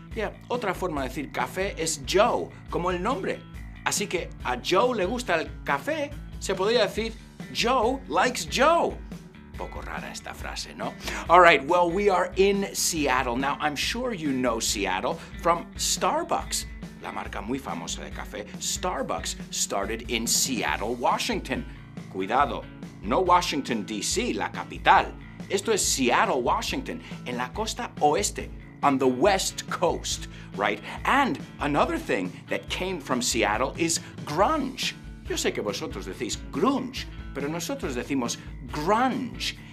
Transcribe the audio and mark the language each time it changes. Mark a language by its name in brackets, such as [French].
[Spanish] Yeah, otra forma de decir café es Joe, como el nombre. Así que a Joe le gusta el café, se podría decir [English] Joe likes Joe. [Spanish] Poco rara esta frase, ¿no? [English] All right, well, we are in Seattle. Now, I'm sure you know Seattle from Starbucks. [Spanish] La marca muy famosa de café, Starbucks, [English] started in Seattle, Washington. [Spanish] Cuidado, no Washington, D.C., la capital. Esto es Seattle, Washington, en la costa oeste, [English] on the west coast, right? And another thing that came from Seattle is grunge. [Spanish] Yo sé que vosotros decís grunge, pero nosotros decimos grunge.